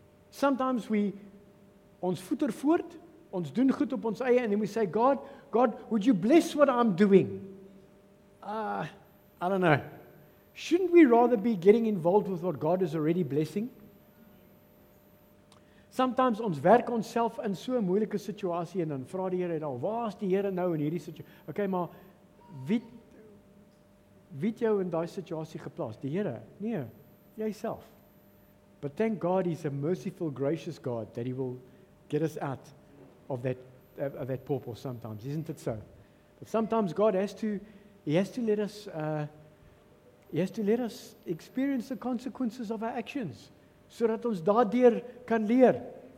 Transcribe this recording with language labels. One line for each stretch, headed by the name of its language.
English: Sometimes we,
Afrikaans: ons voeter voort, ons doen goed op ons eie,
English: and then we say, God, would you bless what I'm doing? I don't know. Shouldn't we rather be getting involved with what God is already blessing?
Afrikaans: Sometimes ons werk onsself in so 'n moeilike situasie en dan vra die Here dan, "Waar is die Here nou in hierdie situasie?" Okay, maar wie het jou in daai situasie geplaas? Die Here? Nee, jouself.
English: But thank God he's a merciful, gracious God that he will get us out of that pawpaw sometimes, isn't it so? But sometimes God has to let us experience the consequences of our actions, so that
Afrikaans: ons daardeur kan leer.